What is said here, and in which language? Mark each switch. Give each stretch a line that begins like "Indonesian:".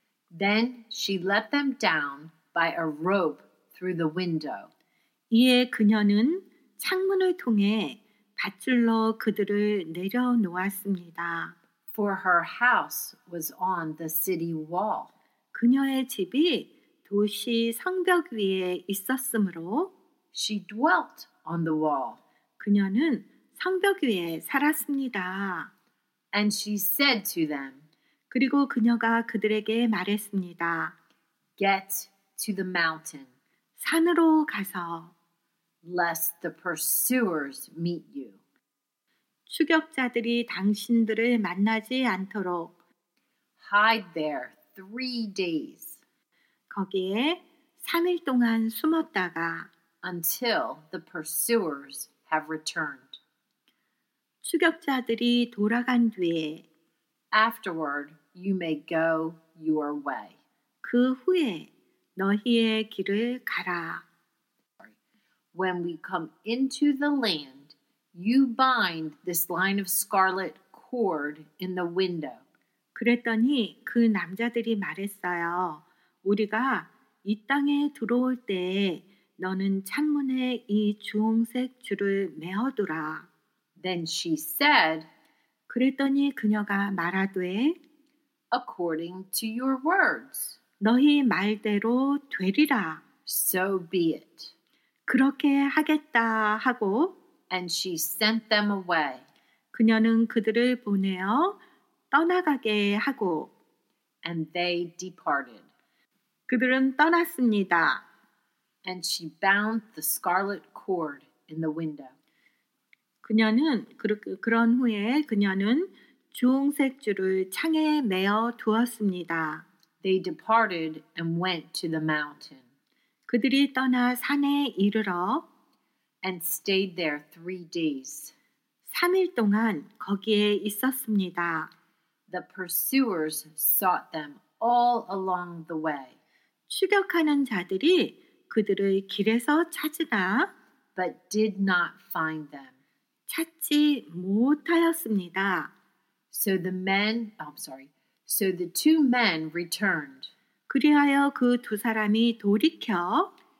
English: Then she let them down by a rope through the window.
Korean: 이에 그녀는 창문을 통해 밧줄로 그들을 내려놓았습니다.
English: For her house was on the city wall.
Korean: 그녀의 집이 도시 성벽 위에 있었으므로
English: She dwelt on the wall.
Korean: 그녀는 성벽 위에 살았습니다.
English: And she said to them,
Korean: 그리고 그녀가 그들에게 말했습니다.
English: Get to the mountain.
Korean: 산으로 가서
English: Lest the pursuers meet you.
Korean: 추격자들이 당신들을 만나지 않도록
English: Hide there 3 days.
Korean: 거기에 3일 동안 숨었다가
English: until the pursuers have returned.
Korean: 추격자들이 돌아간 뒤에
English: afterward you may go your way.
Korean: 그 후에 너희의 길을 가라.
English: When we come into the land, you bind this line of scarlet cord in the window.
Korean: 그랬더니 그 남자들이 말했어요. 우리가 이 땅에 들어올 때에 너는 창문에 이 주홍색 줄을 메어두라.
English: Then she said,
Korean: 그랬더니 그녀가 말하되,
English: According to your words.
Korean: 너희 말대로 되리라.
English: So be it.
Korean: 그렇게 하겠다 하고
English: And she sent them away.
Korean: 그녀는 그들을 보내어 떠나가게 하고
English: And they departed.
Korean: 그들은 떠났습니다.
English: And she bound the scarlet cord in the window.
Korean: 그녀는 그런 후에 그녀는 주홍색 줄을 창에 매어 두었습니다.
English: They departed and went to the mountain.
Korean: 그들이 떠나 산에 이르러
English: and stayed there 3 days.
Korean: 3일 동안 거기에 있었습니다.
English: The pursuers sought them all along the way.
Korean: 추격하는 자들이 그들을 길에서 찾으나
English: but did not find them.
Korean: 찾지 못하였습니다.
English: So the men, I'm sorry. So the two men returned.
Korean: 그리하여 그 두 사람이 돌이켜